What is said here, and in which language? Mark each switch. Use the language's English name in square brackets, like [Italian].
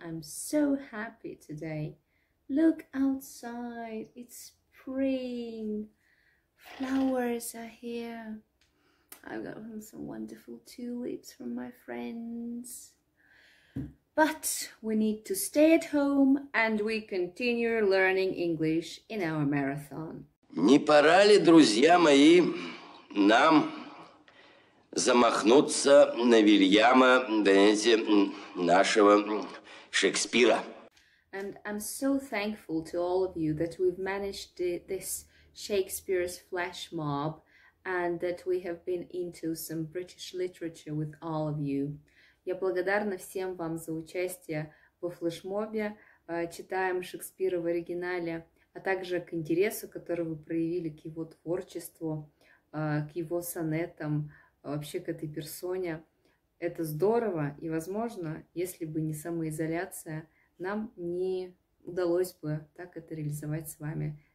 [English] I'm so happy today. Look outside, it's spring. Flowers are here. I've got some wonderful tulips from my friends. But we need to stay at home and we continue learning English in our marathon. [Russian] Не пора ли, друзья мои, нам замахнуться на Вильяма, знаете, нашего Шекспира? [English] And I'm so thankful to all of you that we've managed this Shakespeare's flash mob and that we have been into some British literature with all of you. [Russian] Я благодарна всем вам за участие во флешмобе, читаем Шекспира в оригинале, а также к интересу, который вы проявили к его творчеству, к его сонетам, вообще к этой персоне. Это здорово, и, возможно, если бы не самоизоляция, нам не удалось бы так это реализовать с вами.